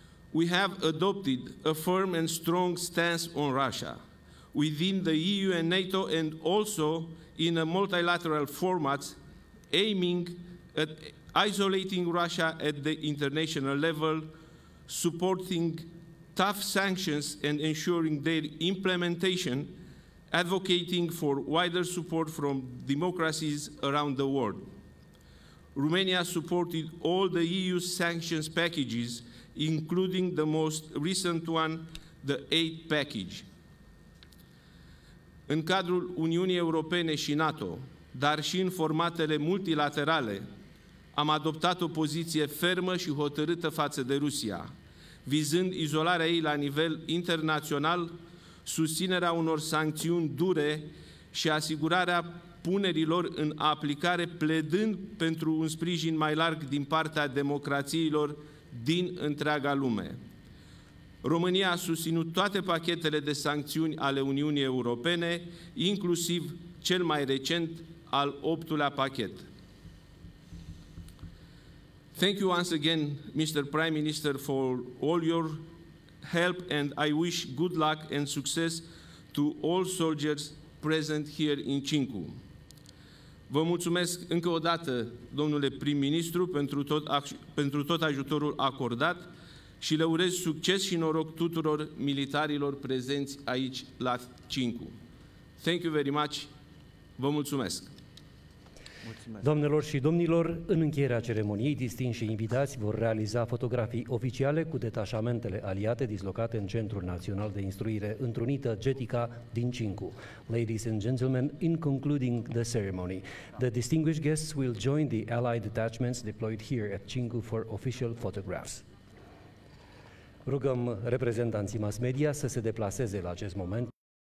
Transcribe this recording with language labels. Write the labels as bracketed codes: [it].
[en] We have adopted a firm and strong stance on Russia within the EU and NATO and also in a multilateral format aiming at isolating Russia at the international level, supporting tough sanctions and ensuring their implementation, advocating for wider support from democracies around the world. Romania supported all the EU sanctions packages, including the most recent one, the aid package. [ro] În cadrul Uniunii Europene și NATO, dar și în formatele multilaterale, am adoptat o poziție fermă și hotărâtă față de Rusia, vizând izolarea ei la nivel internațional, susținerea unor sancțiuni dure și asigurarea punerilor în aplicare, pledând pentru un sprijin mai larg din partea democrațiilor din întreaga lume. România a susținut toate pachetele de sancțiuni ale Uniunii Europene, inclusiv cel mai recent, al 8-lea pachet. [en] Thank you once again, Mr. Prime Minister, for all your help, and I wish good luck and success to all soldiers present here in Cincu. [ro] Vă mulțumesc încă o dată, domnule prim-ministru, pentru tot ajutorul acordat și le urez succes și noroc tuturor militarilor prezenți aici la Cincu. [en] Thank you very much. [ro] Vă mulțumesc. Doamnelor și domnilor, în încheierea ceremoniei, distinși invitați vor realiza fotografii oficiale cu detașamentele aliate dislocate în Centrul Național de Instruire Întrunită Getica din Cincu. [en] Ladies and gentlemen, in concluding the ceremony, the distinguished guests will join the allied detachments deployed here at Cincu for official photographs. [ro] Rugăm reprezentanții mass media să se deplaseze la acest moment.